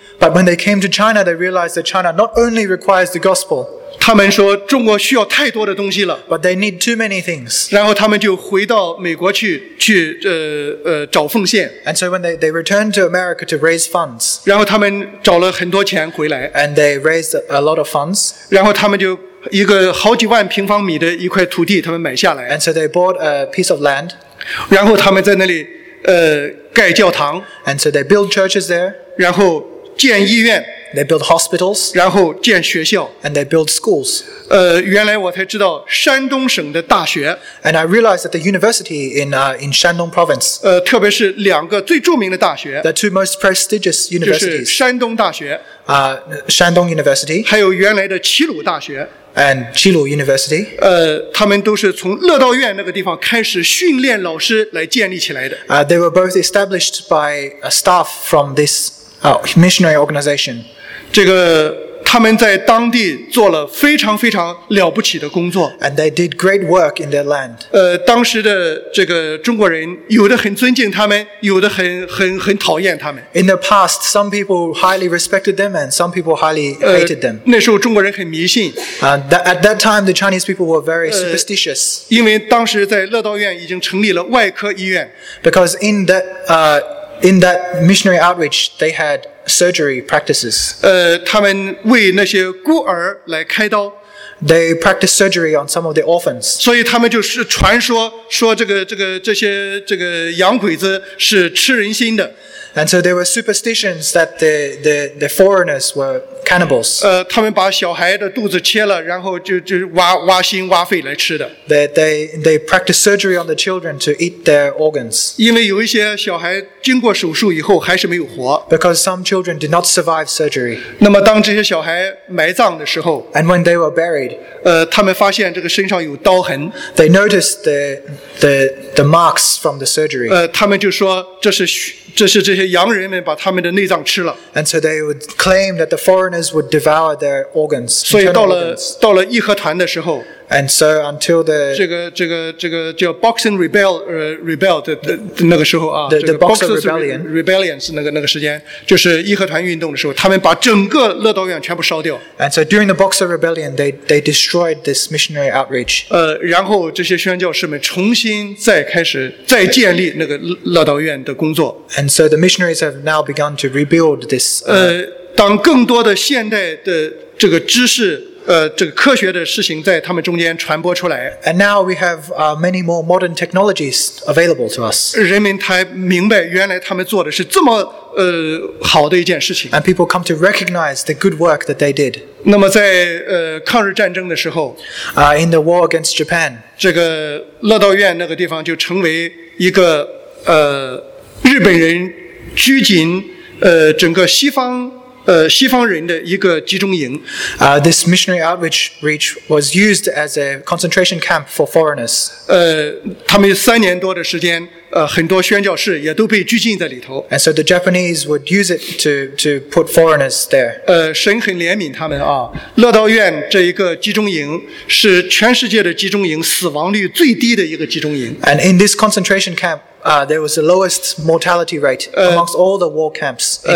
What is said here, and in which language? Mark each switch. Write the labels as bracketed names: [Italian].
[English] But when they came to China, they realized that China not only requires the gospel. [Chinese] 他们说中国需要太多的东西了 [English] But they need too many things. [Chinese] 然后他们就回到美国去找奉献 [English] And so when they returned to America to raise funds. [Chinese] 然后他们找了很多钱回来 [English] And they raised a lot of funds. [Chinese] 然后他们就一个好几万平方米的一块土地他们买下来 [English] And so they bought a piece of land. [Chinese] 然后他们在那里盖教堂 [English] and so they build churches there [Chinese] 然后建医院 [English] they build hospitals [Chinese] 然后建学校 [English] and they build schools [Chinese] 原来我才知道山东省的大学 [English] and I realized that the university in Shandong province [Chinese] 特别是两个最著名的大学 [English] the two most prestigious universities [Chinese] 就是山东大学 [English] Shandong University [Chinese] 还有原来的齐鲁大学 [English] And Qilu University. [Chinese] 他们都是从乐道院那个地方开始训练老师来建立起来的。 [English] They were both established by a staff from this missionary organization. [Chinese] 这个他他们在当地做了非常非常了不起的工作。 [English] And they did great work in their land. [Chinese] 当时的这个中国人有的很尊敬他们，有的很讨厌他们。 [English] In the past, some people highly respected them and some people highly hated them. [Chinese] 那时候中国人很迷信。 [English] At that time, the Chinese people were very superstitious. [Chinese] 因为当时在乐道院已经成立了外科医院。 [English] Because in that, missionary outreach, they had surgery practices. [Chinese] 他们为那些孤儿来开刀。 [English] They practiced surgery on some of the orphans. [Chinese] 所以他们就是传说说这些洋鬼子是吃人心的。 [English] And so there were superstitions that the foreigners were cannibals. [Chinese] 他们把小孩的肚子切了，然后就挖心挖肺来吃的。 [English] They practiced surgery on the children to eat their organs. [Chinese] 因为有一些小孩经过手术以后还是没有活。 [English] Because some children did not survive surgery. [Chinese] 那么当这些小孩埋葬的时候 [English] ，And when they were buried, [Chinese] 他们发现这个身上有刀痕。 [English] They noticed the marks from the surgery. [Chinese] 他们就说这是这些洋人们把他们的内脏吃了。 [English] And so they would claim that the foreigners would devour their organs. [Chinese] 所以到了义和团的时候。 [English] And so until the [Chinese] 这个叫 [English] Boxing Rebel Rebel [Chinese] 的那个时候啊 [English] ，the Boxing Rebellion [Chinese] Rebellions 那个时间，就是义和团运动的时候，他们把整个乐道院全部烧掉。 [English] And so during the Boxing Rebellion, they destroyed this missionary outreach. [Chinese] 然后这些宣教士们重新再开始再建立那个乐道院的工作。 [English] And so the missionaries have now begun to rebuild this. [Chinese] 当更多的现代的这个知识。这个科学的事情在他们中间传播出来。 [English] And now we have many more modern technologies available to us. [Chinese] 人们才明白原来他们做的是这么好的一件事情。 [English] And people come to recognize the good work that they did. [Chinese] 那么在抗日战争的时候 [English] in the war against Japan, [Chinese] 这个乐道院那个地方就成为一个日本人拘禁整个西方人的一个集中营。 [English] This missionary outreach reach was used as a concentration camp for foreigners. [Chinese] 他们三年多的时间，很多宣教士也都被拘禁在里头。 [English] And so the Japanese would use it to put foreigners there. [Chinese] 神很怜悯他们啊。乐道院这一个集中营是全世界的集中营死亡率最低的一个集中营。 [English] And in this concentration camp,there was the lowest mortality rate amongst all the war camps.